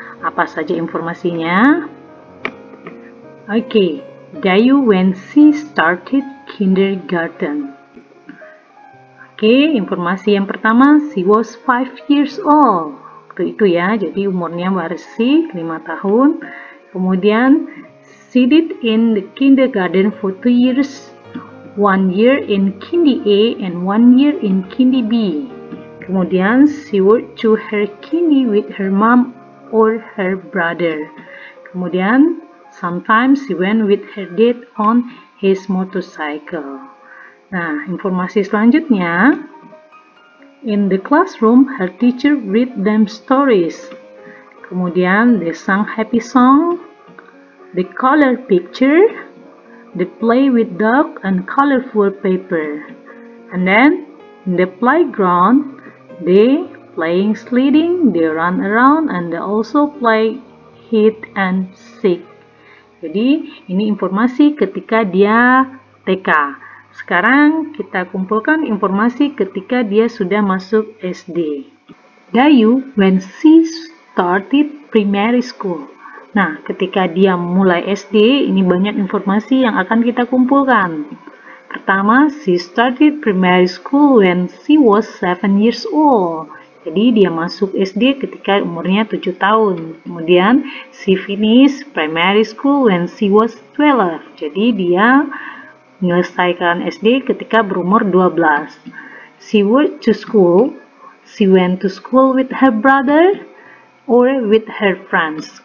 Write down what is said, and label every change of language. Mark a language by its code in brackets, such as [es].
[id] Apa saja informasinya? Oke, Dayu [en] when she started kindergarten. [id] Oke, informasi yang pertama, [en] she was 5 years old. [id] Itu ya, jadi umurnya masih 5 tahun. Kemudian [en] she did in the kindergarten for 2 years, 1 year in kindy A and 1 year in kindy B. [id] Kemudian [en] she went to her kindy with her mom or her brother. [id] Kemudian [en] sometimes she went with her dad on his motorcycle. [id] Nah, informasi selanjutnya, [en] in the classroom, her teacher read them stories. [id] Kemudian, [en] they sang happy song, the color picture, the play with dog and colorful paper. And then, in the playground, they playing sledding, they run around, and they also play hide and seek. [id] Jadi, ini informasi ketika dia TK. Sekarang kita kumpulkan informasi ketika dia sudah masuk SD. [en] Dayu when she started primary school. [id] Nah, ketika dia mulai SD, ini banyak informasi yang akan kita kumpulkan. Pertama, [en] she started primary school when she was 7 years old. [id] Jadi, dia masuk SD ketika umurnya 7 tahun. Kemudian, [en] she finished primary school when she was 12. [id] Jadi, dia menyelesaikan SD ketika berumur 12. [en] She went to school. She went to school with her brother or with her friends.